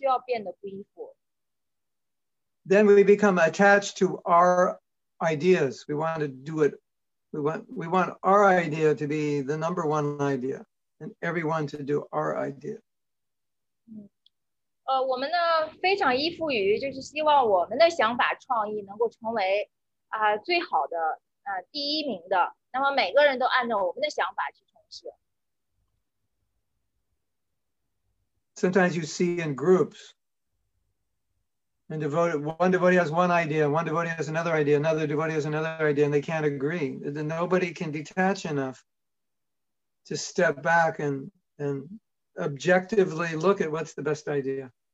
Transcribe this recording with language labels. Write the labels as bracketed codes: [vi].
[zh] 就是这个世界呢，它呢就是可能会有些时候会失控，然后呢这个经济包括政治，他们都有这种失控的时候。我们这时候呢，就是我们无法控制这些状况，我们就需要变得不依附。 [en] Then we become attached to our ideas. We want to do it. We want our idea to be the number one idea, and everyone to do our idea. [zh] 我们呢非常依附于就是希望我们的想法创意能够成为最好的第一名的，那么每个人都按照我们的想法去从事。 [en] Sometimes you see in groups, and one devotee has one idea, one devotee has another idea, another devotee has another idea, and they can't agree. Then nobody can detach enough to step back and objectively look at what's the best idea.